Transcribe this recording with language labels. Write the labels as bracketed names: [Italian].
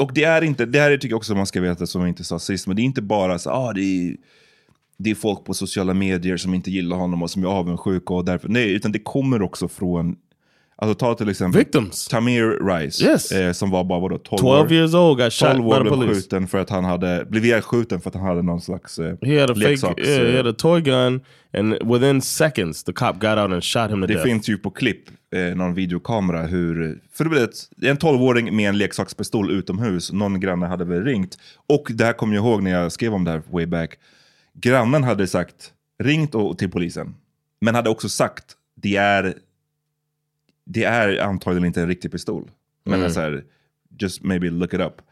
[Swedish] Och det är inte, det här tycker jag också man ska veta som vi inte sa sist, men det är inte bara så, ah, det är folk på sociala medier som inte gillar honom och som är avundsjuka och därför, nej, utan det kommer också från, alltså ta till exempel [English] victims. Tamir Rice, yes. [Swedish] Som var bara vadå, [English] 12 years old, got shot by the police. [Swedish] Skjuten för att han hade, blev skjuten för att han hade någon slags [English] he had a toy gun and within seconds the cop got out and shot him to death. [Swedish] Det finns ju på klipp någon videokamera hur, för det blev en 12-åring med en leksakspistol utomhus, någon granne hade väl ringt, och det här kommer jag ihåg när jag skrev om det här [English] way back. [Swedish] Grannen hade sagt, ringt och, till polisen, men hade också sagt det är antagligen inte en riktig pistol, men så här, [English] just maybe look it up.